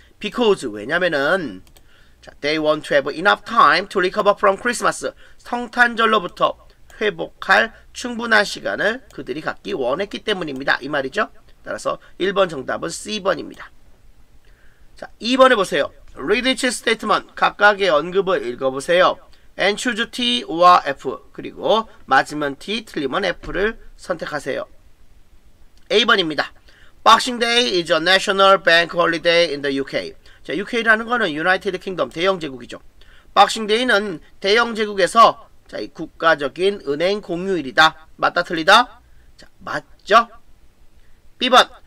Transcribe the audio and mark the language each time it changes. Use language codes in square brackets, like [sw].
[en] Because, [ko] 왜냐면은, [en] they want to have enough time to recover from Christmas. [ko] 성탄절로부터 회복할 충분한 시간을 그들이 갖기 원했기 때문입니다. 이 말이죠. 따라서 1번 정답은 C번입니다. 자, 2번 해보세요. [en] Read each statement. [ko] 각각의 언급을 읽어보세요. [en] And choose T or F. [ko] 그리고 맞으면 T, 틀리면 F를 선택하세요. A번입니다. [en] Boxing Day is a national bank holiday in the UK. [ko] 자, UK라는 거는 United Kingdom, 대영제국이죠. Boxing Day는 대영제국에서 자, 이 국가적인 은행 공휴일이다. 맞다, 틀리다? 자, 맞죠? B번.